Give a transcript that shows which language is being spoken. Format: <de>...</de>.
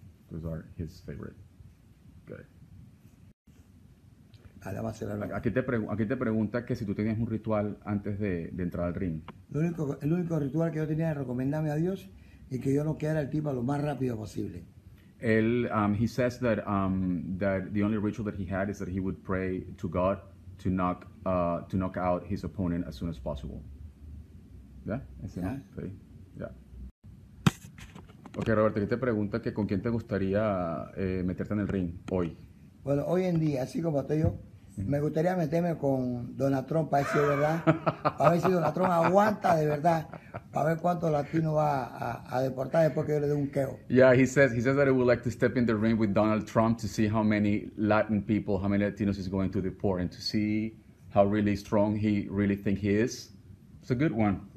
<en>Those are his favorite.</en> <es>Vale, vamos a hacer Aquí te pregunta que si tú tenías un ritual antes de entrar al ring. el único ritual que yo tenía era recomendarme a Dios y que yo no quedara el tipo lo más rápido posible.</es> <en>Él, he says that that the only ritual that he had is that he would pray to God to knock out his opponent as soon as possible.</en> <es>¿Ya? Ese, ¿no? Sí. Ya. Ok, Roberto, aquí te pregunta que con quién te gustaría meterte en el ring hoy. Bueno, hoy en día, así como estoy yo, me gustaría meterme con Donald Trump para ver si es verdad, para ver si Donald Trump aguanta de verdad, para ver cuántos latinos va a deportar después que yo le dé un queo.</es> <en>Yeah, he says that he would like to step in the ring with Donald Trump to see how many Latin people, how many Latinos he's going to deport, and to see how really strong he really think he is. It's a good one.</en>